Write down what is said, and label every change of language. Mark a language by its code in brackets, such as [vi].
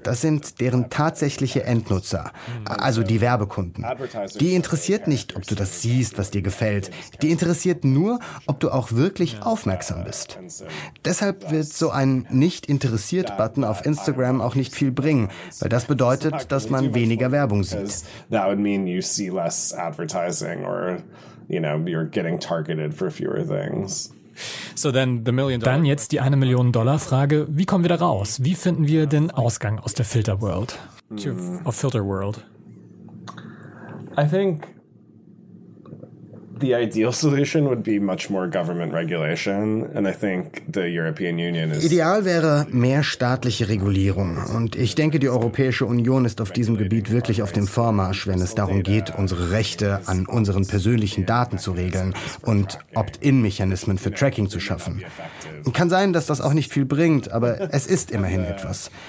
[de] Das sind deren tatsächliche Endnutzer, also die Werbekunden. Die interessiert nicht, ob du das siehst, was dir gefällt. Die interessiert nur, ob du auch wirklich aufmerksam bist. Deshalb wird so ein Nicht-interessiert-Button auf Instagram auch nicht viel bringen. Weil das bedeutet, dass man weniger Werbung sieht. [en] That would mean you see less advertising or, you know, you're getting targeted for fewer things. So then the million dollar. [de] Dann jetzt die 1-Million-Dollar-Frage: Wie kommen wir da raus? Wie finden wir den Ausgang aus der Filter-World? [en] Of filter world. I think the ideal solution would be much more government regulation, and I think the European Union is. [de] Ideal wäre mehr staatliche Regulierung, und ich denke, die Europäische Union ist auf diesem Gebiet wirklich auf dem Vormarsch, wenn es darum geht, unsere Rechte an unseren persönlichen Daten zu regeln und Opt-in-Mechanismen für Tracking zu schaffen. Kann sein, dass das auch nicht viel bringt, aber es ist immerhin etwas.